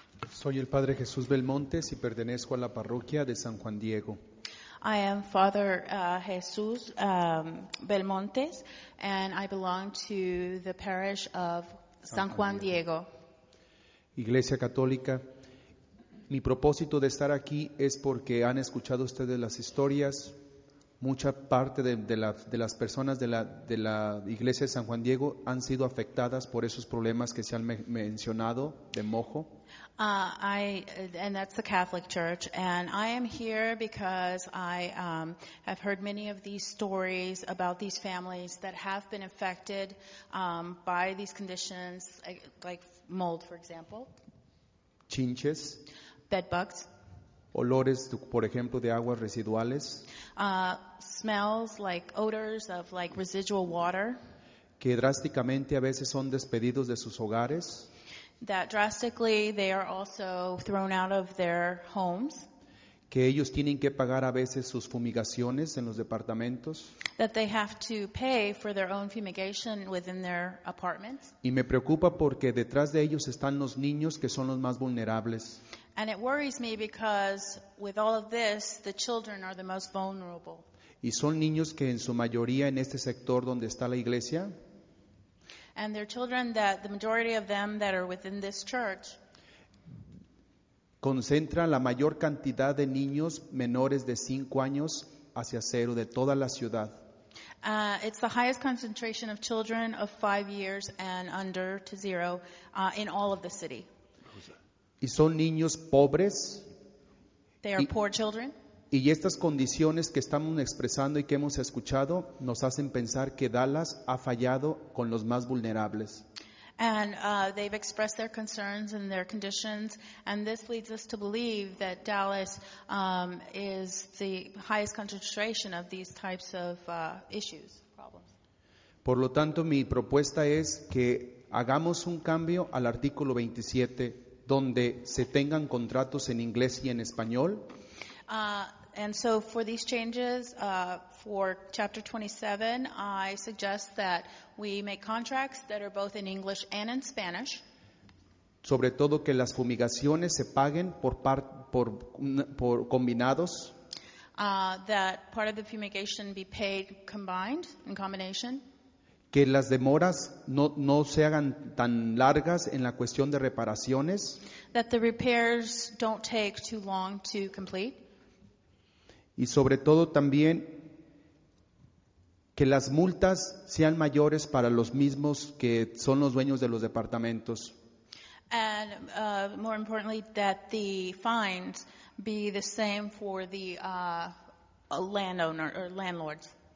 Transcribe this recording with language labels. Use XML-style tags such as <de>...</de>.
<es>Soy el padre Jesús Belmontes y pertenezco a la parroquia de San Juan Diego.</es> <en>I am Father Jesús Belmontes, and I belong to the parish of San Juan Diego.</en> <es>Iglesia Católica, mi propósito de estar aquí es porque han escuchado ustedes las historias. Mucha parte de las personas de la Iglesia de San Juan Diego han sido afectadas por esos problemas que se han mencionado de mojo.</es> <en>And that's the Catholic Church, and I am here because I have heard many of these stories about these families that have been affected by these conditions, like mold, for example.</en> <es>Chinches.</es> <en>Bed bugs.</en> <es>olores, por ejemplo, de aguas residuales.</es> <en>Smells like odors of like residual water.</en> <es>Que drásticamente a veces son despedidos de sus hogares.</es> <en>That drastically they are also thrown out of their homes.</en> <es>Que ellos tienen que pagar a veces sus fumigaciones en los departamentos.</es> <en>That they have to pay for their own fumigation within their apartments.</en> <es>Y me preocupa porque detrás de ellos están los niños que son los más vulnerables.</es> <en>And it worries me because with all of this, the children are the most vulnerable.</en> <es>Y son niños que en su mayoría en este sector donde está la iglesia.</es> <en>And they're children that the majority of them that are within this church.</en> <es>Concentra la mayor cantidad de niños menores de 5 años hacia cero de toda la ciudad.</es> <en>It's the highest concentration of children of 5 years and under to 0 in all of the city.</en> <es>Y son niños pobres.</es> <en>They are poor children.</en> <es>Y estas condiciones que estamos expresando y que hemos escuchado nos hacen pensar que Dallas ha fallado con los más vulnerables.</es> <en>And they've expressed their concerns and their conditions, and this leads us to believe that Dallas is the highest concentration of these types of issues, problems.</en> <es>Por lo tanto, mi propuesta es que hagamos un cambio al artículo 27, donde se tengan contratos en inglés y en español.</es> <en>And so for these changes, for chapter 27, I suggest that we make contracts that are both in English and in Spanish.</en> <es>Sobre todo que las fumigaciones se paguen por combinados.</es> <en>That part of the fumigation be paid combined, in combination.</en> <es>Que las demoras no se hagan tan largas en la cuestión de reparaciones.</es> <en>That the repairs don't take too long to complete.</en> <es>Y sobre todo también que las multas sean mayores para los mismos que son los dueños de los departamentos.</es> <en>And more importantly, that the fines be the same for the landowner or landlords.</en>